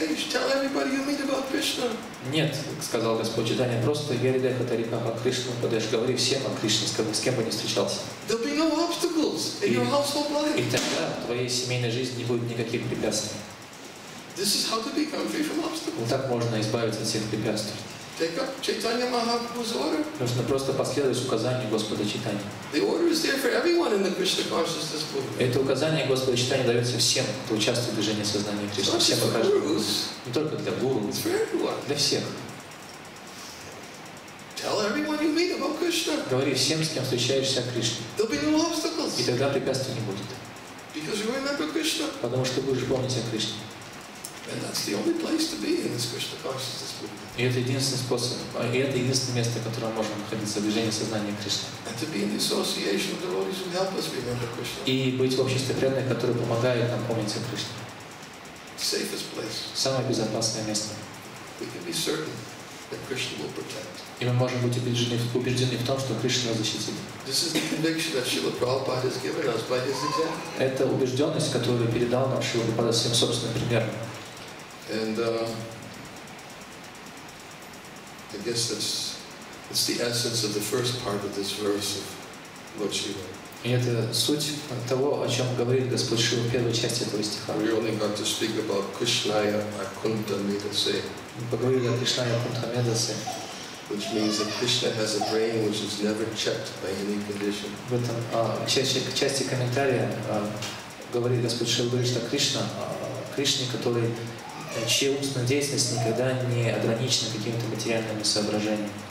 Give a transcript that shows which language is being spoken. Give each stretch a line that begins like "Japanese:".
English: Tell everybody you meet about Krishna."
Russian: Нет, сказал Господь Читания, просто Яридеха Тарикаха Кришну, подаешь, говори всем о Кришне, с кем бы ни встречался.
English: There'll be no obstacles in your household life.
Russian: И тогда в твоей семейной жизни не будет никаких препятствий.
English: This is how to become free from obstacles.
Russian: Вот так можно избавиться от всех препятствий.
English: Take up Chaitanya Mahaprabhu's order.
Russian: Нужно просто последовать указанию Господа Читания.
English: The order is there for everyone in the Krishna consciousness movement.
Russian: Это указание Господа Читания дается всем, кто участвует в движении сознания Кришны.
English: It's not just for gurus.
Russian: Не только для гуру.
English: It's for everyone.
Russian: Для всех.
English: Tell everyone you meet about Krishna.
Russian: Говори всем, с кем встречаешься, о Кришне.
English: There'll be no obstacles.
Russian: И тогда препятствий не будет.
English: Because you remember Krishna.
Russian: Потому что будешь помнить о Кришне.
English: And that's the only place to be in this Krishna consciousness movement.
Russian: И это единственный способ, и это единственное место, в котором можно находиться в движении сознания Кришны.
English: And to be in the association of devotees who help us remember Krishna.
Russian: И быть в обществе преданных, которые помогают нам помнить о Кришне.
English: Safest place.
Russian: Самое безопасное место.
English: We can be certain that Krishna will protect.
Russian: И мы можем быть убеждены в том, что Кришна нас защитит.
English: This is the conviction that Srila Prabhupada has given us by his example.
Russian: Это убежденность, которую передал нам Шрила Прабхупада своим собственным примером.
English: And I guess that's the essence of the first part of this verse of Lord Shiva.
Russian: И это суть того, о чем говорит Господь Шива в первой части этого стиха.
English: We only got to speak about Krishnaya Akunta Medase.
Russian: Мы поговорили о Кришнае Акунта Медасе.
English: Which means that Krishna has a brain which is never checked by any condition.
Russian: В этом части комментария говорит Господь Шива, говорит, что Кришна, Кришне, который чья умственная деятельность никогда не ограничена какими-то материальными соображениями.